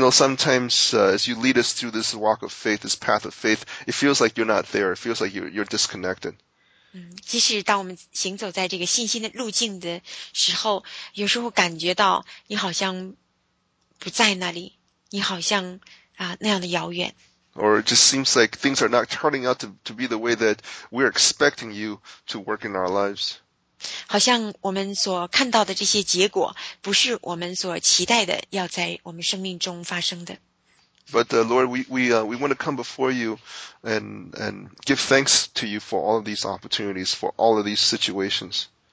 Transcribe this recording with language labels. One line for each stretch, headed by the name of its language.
English: though sometimes as you lead us through this walk of faith, this path of faith, it feels like you're not there. It feels like you're disconnected.
Chinese: 即使当我们行走在这个信心的路径的时候，有时候感觉到你好像不在那里，你好像那样的遥远。Or
English: it just seems like things are not turning out to be the way that we're expecting you to work in our lives.
Chinese: 好像我们所看到的这些结果不是我们所期待的要在我们生命中发生的。But
English: Lord, we want to come before you and give thanks to you for all of these opportunities, for all of these situations.